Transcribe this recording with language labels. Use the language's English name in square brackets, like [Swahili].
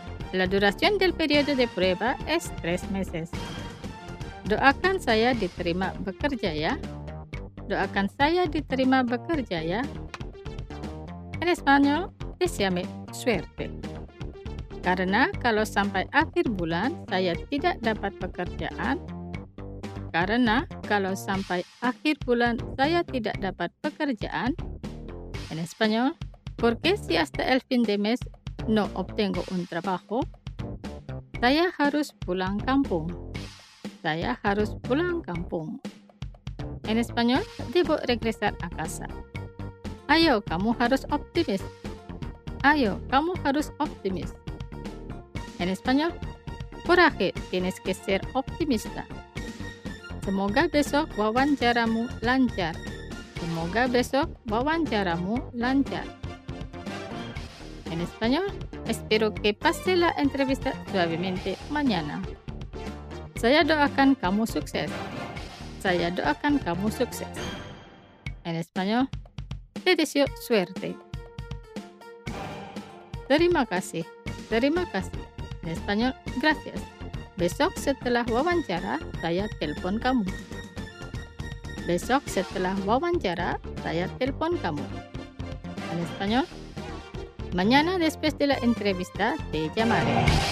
[Spanish] La duración del periodo de prueba es 3 meses. [Indonesian] Doakan saya diterima bekerja ya. Doakan saya diterima bekerja ya. [Spanish] En español, deséame suerte. [Indonesian] Karena kalau sampai akhir bulan saya tidak dapat pekerjaan. Karena kalau sampai akhir bulan saya tidak dapat pekerjaan. [Spanish] En español, ¿por qué si hasta el fin de mes no obtengo un trabajo? [Indonesian] Saya harus pulang kampung. Saya harus pulang kampung. [Spanish] En español, debo regresar a casa. [Indonesian] Ayo, kamu harus optimis. Ayo, kamu harus optimis. [Spanish] En español, coraje, tienes que ser optimista. [Indonesian] Semoga besok wawancaramu lancar. Semoga besok wawancaramu lancar. [Spanish] En español, espero que pase la entrevista suavemente mañana. [Indonesian] Saya doakan kamu sukses. Saya doakan kamu sukses. [Spanish] En español, te deseo suerte. [Indonesian] Terima kasih. Terima kasih. [Spanish] En español, gracias. [Indonesian] Besok setelah wawancara, saya telpon kamu. Besok setelah wawancara, saya telpon kamu. [Spanish] En español, mañana después de la entrevista, te llamaré.